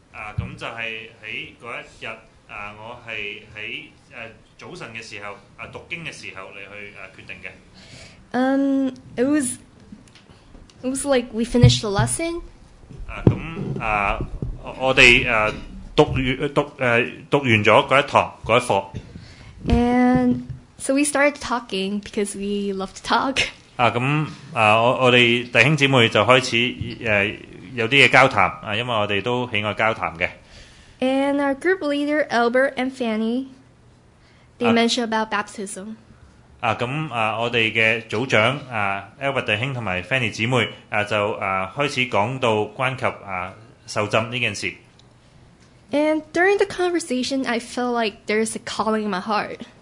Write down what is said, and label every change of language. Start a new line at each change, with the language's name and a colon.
Cantonese: 咁就係喺嗰一日，我係喺早晨嘅時候，讀經嘅時候嚟去決定嘅。
English: It was like we finished the lesson.
Cantonese: 咁我哋讀完咗嗰一堂嗰一課。
English: And so we started talking because we love to talk.
Cantonese: 咁我哋弟兄姊妹就開始有啲嘢交談因為我哋都喜愛交談嘅。
English: And our group leader Albert and Fanny, they mentioned about baptism.
Cantonese: 咁我哋嘅組長Albert 弟兄同埋 Fanny 姊妹就開始講到關及受浸呢件事。
English: And during the conversation, I felt like there's a calling in my heart.